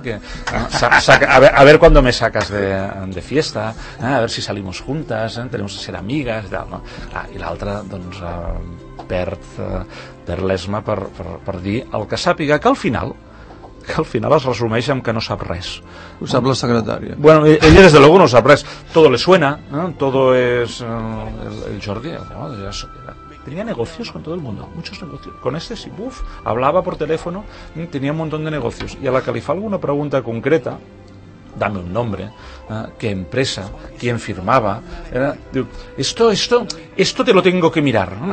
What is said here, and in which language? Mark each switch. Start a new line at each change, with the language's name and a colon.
Spanish: Que, a ver cuando me sacas de fiesta, a ver si salimos juntas, tenemos que ser amigas y tal, no?
Catalan: I l'altra doncs perd l'esma per dir el que sàpiga, que al final es resumeix en que no sap res. Ho sap la secretària.
Spanish: Bueno, ella desde luego no sap res. Todo le suena, ¿no? Todo es el Jordi. ¿No? Tenía negocios con todo el mundo, muchos negocios. Con este sí, hablaba por teléfono, tenía un montón de negocios. Y a la que le fa alguna pregunta concreta, dame un nombre, qué empresa, quién firmaba, esto te lo tengo que mirar, ¿no?